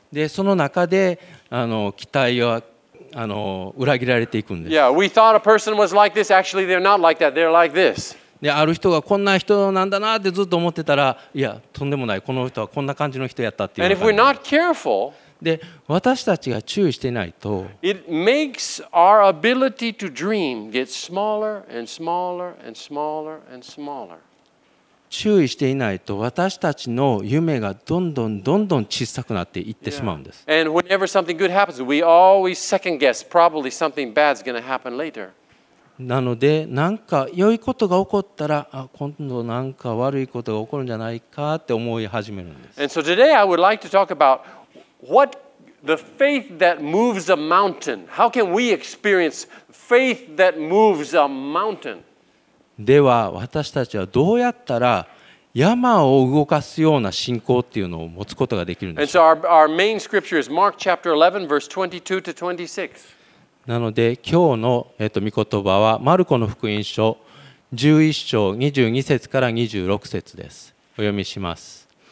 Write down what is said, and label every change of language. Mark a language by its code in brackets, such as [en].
[ja] で、その中で期待は裏切られていくんです。 [en] Yeah, we thought a person was like this. Actually, they're not like that. They're like this. [ja] で、ある人がこんな人なんだなってずっと思ってたら、いや、とんでもない。この人はこんな感じの人やったっていう。 [en] And if we're not careful, [ja] で私たちが注意していないと、 [en] It makes our ability to dream get smaller and smaller and smaller and smaller. [ja] 注意していないと私たちの夢がどんどんどんどん小さくなっていってしまうんです。 [en] Yeah. And whenever something good happens, we always second guess. Probably something bad's going to happen later. [ja] なので何か良いことが起こったら、あ、今度何か悪いことが起こるんじゃないかって思い始めるんです。 [en] And so today I would like to talk about. What the faith that moves a mountain? How can we experience faith that moves a mountain? [ja] では私たちはどうやったら山を動かすような信仰っていうのを持つことができるんでしょうか? [en] And so our main scripture is Mark chapter 11 verse 22 to 26. [ja] なので今日の御言葉はマルコの福音書11章22節から26節です。お読みします。